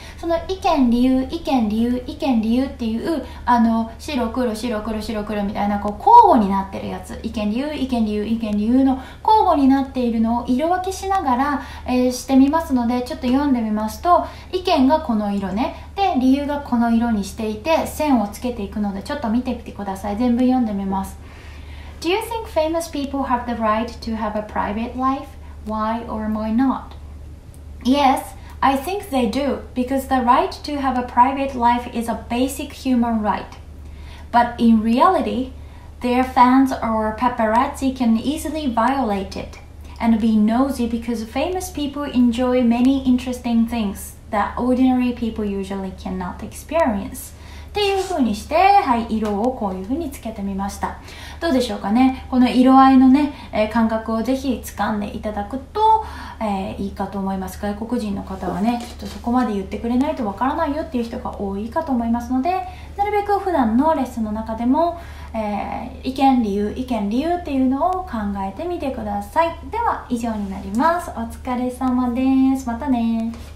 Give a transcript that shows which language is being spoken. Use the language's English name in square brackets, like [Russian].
[Japanese] その意見理由意見理由意見理由っていう、あの白黒白黒白黒みたいな、こう交互になってるやつ、意見理由意見理由意見理由の交互になっているのを色分けしながら、してみますので、ちょっと読んでみますと、意見がこの色ね、で理由がこの色にしていて線をつけていくので、ちょっと見てみてください。全部読んでみます。 [English] Do you think famous people have the right to have a private life? Why or why not? Yes, I think they do, because the right to have a private life is a basic human right. But in reality, their fans or paparazzi can easily violate it and be nosy because famous people enjoy many interesting things that ordinary people usually cannot experience. [Japanese] っていう風にして、はい、色をこういう風につけてみました。どうでしょうかね。この色合いのね、感覚をぜひ掴んでいただくと、いいかと思います。外国人の方はね、ちょっとそこまで言ってくれないとわからないよっていう人が多いかと思いますので、なるべく普段のレッスンの中でも、意見理由意見理由っていうのを考えてみてください。では以上になります。お疲れ様です。またね。